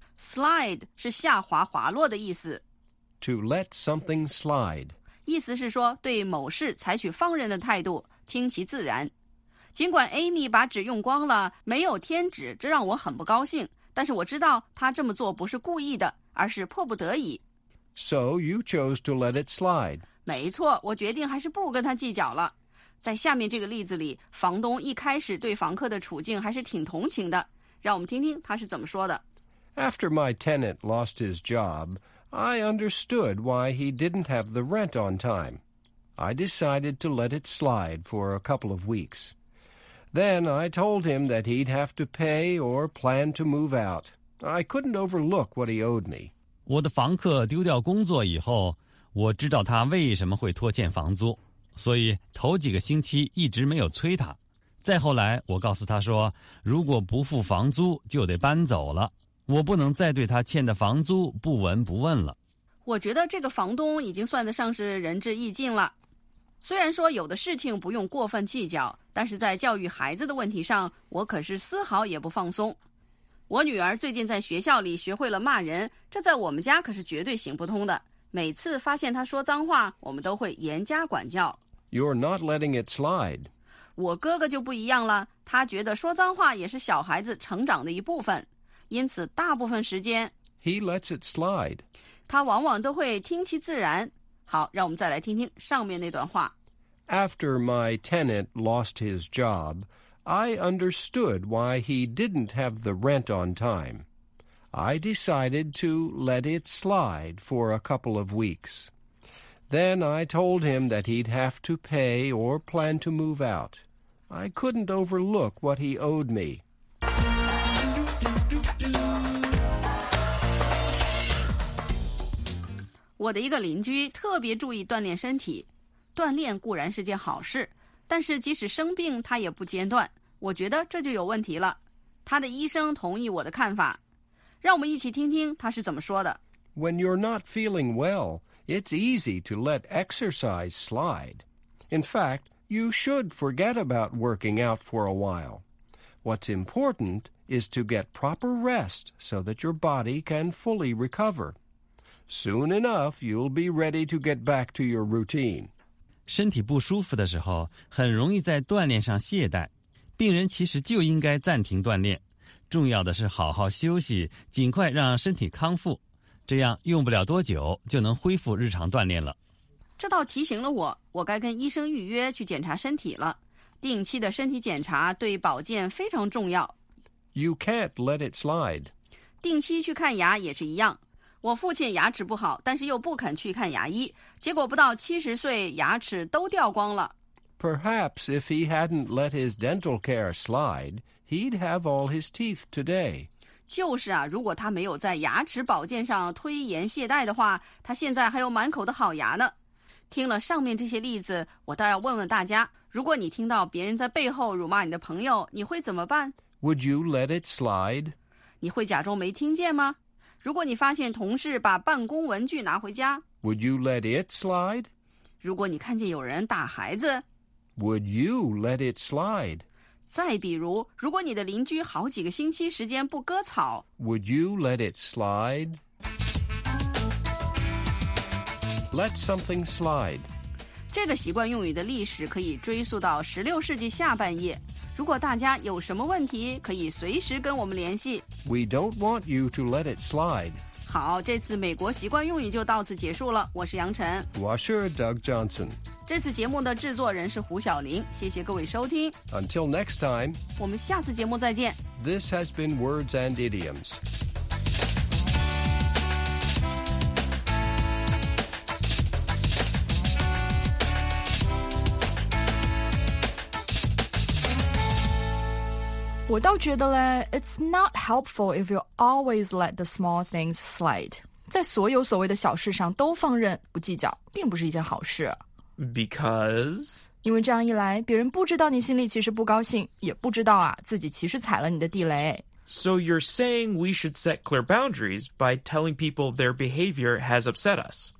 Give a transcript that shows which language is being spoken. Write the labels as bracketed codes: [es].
[zh] Slide 是下滑滑落的意思。 [en] To let something slide. [zh] 意思是说对某事采取放任的态度，听其自然。尽管 Amy 把纸用光了，没有添纸，这让我很不高兴，但是我知道她这么做不是故意的，而是迫不得已。 [en] So you chose to let it slide. [zh] 没错，我决定还是不跟她计较了。在下面这个例子里，房东一开始对房客的处境还是挺同情的，让我们听听他是怎么说的。 [en] After my tenant lost his job,I understood why he didn't have the rent on time. I decided to let it slide for a couple of weeks. Then I told him that he'd have to pay or plan to move out. I couldn't overlook what he owed me. [zh] 我的房客丢掉工作以后，我知道他为什么会拖欠房租，所以头几个星期一直没有催他。再后来，我告诉他说，如果不付房租，就得搬走了。我不能再对他欠的房租不闻不问了。我觉得这个房东已经算得上是仁至义尽了。虽然说有的事情不用过分计较，但是在教育孩子的问题上，我可是丝毫也不放松。我女儿最近在学校里学会了骂人，这在我们家可是绝对行不通的。每次发现她说脏话，我们都会严加管教。 [en] You're not letting it slide. [zh] 我哥哥就不一样了，他觉得说脏话也是小孩子成长的一部分。因此大部分时间 [en] He lets it slide. [zh] 他往往都会听其自然。好，让我们再来听听上面那段话。 [en] After my tenant lost his job, I understood why he didn't have the rent on time. I decided to let it slide for a couple of weeks. Then I told him that he'd have to pay or plan to move out. I couldn't overlook what he owed me. [zh] 我的一个邻居特别注意锻炼身体，锻炼固然是件好事，但是即使生病他也不间断，我觉得这就有问题了。他的医生同意我的看法，让我们一起听听他是怎么说的。 [en] When you're not feeling well, it's easy to let exercise slide. In fact, you should forget about working out for a while. What's important is to get proper rest so that your body can fully recover. Soon enough, you'll be ready to get back to your routine. [zh] 身体不舒服的时候，很容易在锻炼上懈怠。病人其实就应该暂停锻炼。重要的是好好休息，尽快让身体康复。这样用不了多久就能恢复日常锻炼了。这倒提醒了我，我该跟医生预约去检查身体了。定期的身体检查对保健非常重要。 [en] You can't let it slide. [zh] 定期去看牙也是一样。我父亲牙齿不好，但是又不肯去看牙医，结果不到70岁，牙齿都掉光了。 [en] Perhaps if he hadn't let his dental care slide, he'd have all his teeth today. [zh] 就是啊，如果他没有在牙齿保健上推延懈怠的话，他现在还有满口的好牙呢。听了上面这些例子，我倒要问问大家，如果你听到别人在背后辱骂你的朋友，你会怎么办？ [en] Would you let it slide? [zh] 你会假装没听见吗？如果你发现同事把办公文具拿回家 [en] Would you let it slide? [zh] 如果你看见有人打孩子 [en] Would you let it slide? [zh] 再比如如果你的邻居好几个星期时间不割草 [en] Would you let it slide? Let something slide [zh] 这个习惯用语的历史可以追溯到16世纪下半叶如果大家有什么问题可以随时跟我们联系 [en] We don't want you to let it slide [zh] 好这次美国习惯用语就到此结束了我是杨晨 [en] Washer Doug Johnson [zh] 这次节目的制作人是胡晓玲谢谢各位收听 [en] Until next time [zh] 我们下次节目再见 [en] This has been Words and Idioms [zh] 我倒觉得嘞 [en] it's not helpful if you always let the small things slide. [zh] 在所有所谓的小事上都放任不计较并不是一件好事。 [en] Because? [zh] 因为这样一来别人不知道你心里其实不高兴也不知道啊自己其实踩了你的地雷。 [en] So you're saying we should set clear boundaries by telling people their behavior has upset us.